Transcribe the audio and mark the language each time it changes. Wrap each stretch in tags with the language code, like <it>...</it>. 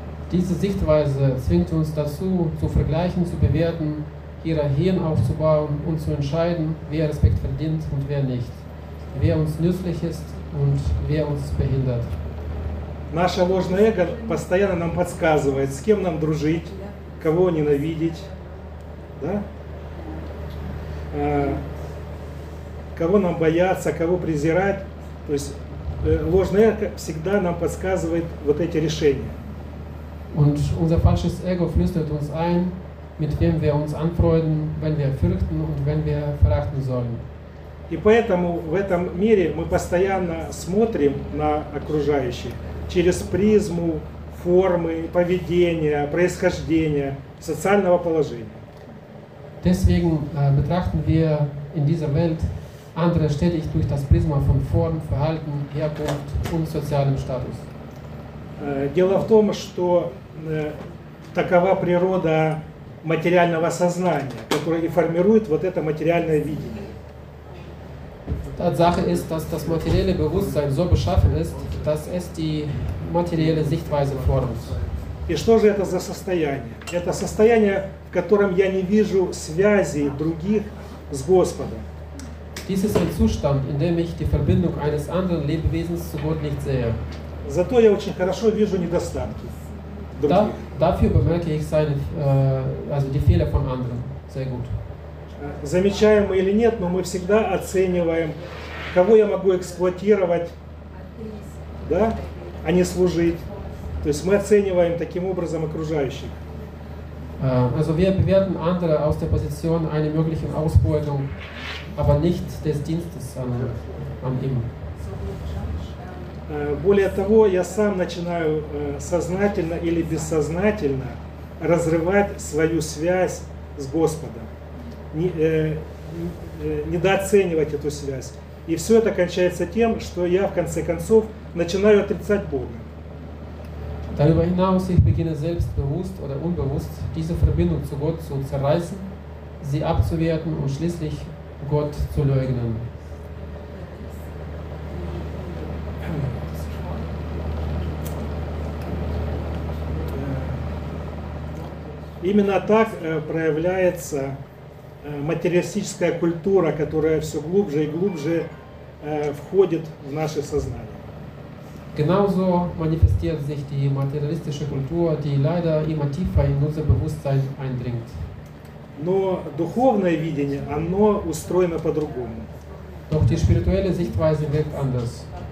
<de>Diese Sichtweise zwingt uns dazu, zu vergleichen, zu bewerten, Hierarchien aufzubauen und zu entscheiden, wer Respekt verdient und wer nicht, wer uns nützlich ist und wer uns behindert.</de> <ru>Наше ложное эго постоянно нам подсказывает, с кем нам дружить, кого ненавидеть, да? Кого нам бояться, кого презирать. То есть ложное эго всегда нам подсказывает вот эти решения.</ru> <de>Und unser falsches Ego flüstert uns ein, mit wem wir uns anfreunden, wenn wir fürchten und wenn wir verachten sollen.</de> <ru>И поэтому в этом мире мы постоянно смотрим на окружающих через призму формы, поведения, происхождения, социального положения.</ru> <de>Deswegen betrachten wir in dieser Welt andere stetig durch das Prisma von Form, Verhalten, Herkunft und sozialem Status.</de> <ru>Дело в том, что такова природа материального сознания, которое и формирует вот это материальное видение.</ru> <de>Tatsache ist, dass das materielle Bewusstsein so beschaffen ist, dass es die materielle Sichtweise formt.</de> <ru>И что же это за состояние? Это состояние, в котором я не вижу связи других с Господом.</ru> <de>Dies ist ein Zustand, in dem ich die Verbindung eines anderen Lebewesens zu Gott nicht sehe.</de> <ru>Зато я очень хорошо вижу недостатки.</ru> <de>Dafür bemerke ich seine, also die Fehler von anderen sehr gut.</de> <ru>Замечаем мы или нет, но мы всегда оцениваем, кого я могу эксплуатировать, да, а не служить. То есть мы оцениваем таким образом окружающих.</ru> <de>Also wir bewerten andere aus der Position einer möglichen Ausbeutung, aber nicht des Dienstes an ihm.</de> <ru>Более того, я сам начинаю сознательно или бессознательно разрывать свою связь с Господом, недооценивать эту связь. И все это кончается тем, что я в конце концов начинаю отрицать Бога.</ru> <de>Darüber hinaus, ich beginne selbst bewusst oder unbewusst diese Verbindung zu Gott zu zerreißen, sie abzuwerten und schließlich Gott zu leugnen.</de> <ru>Именно так проявляется материалистическая культура, которая все глубже и глубже входит в наше сознание.</ru> <de>Genauso manifestiert sich die materialistische Kultur, die leider immer tiefer in unser Bewusstsein eindringt.</de> <ru>Но духовное видение, оно устроено по-другому.</ru> <de>Doch die spirituelle Sichtweise wirkt anders.</de>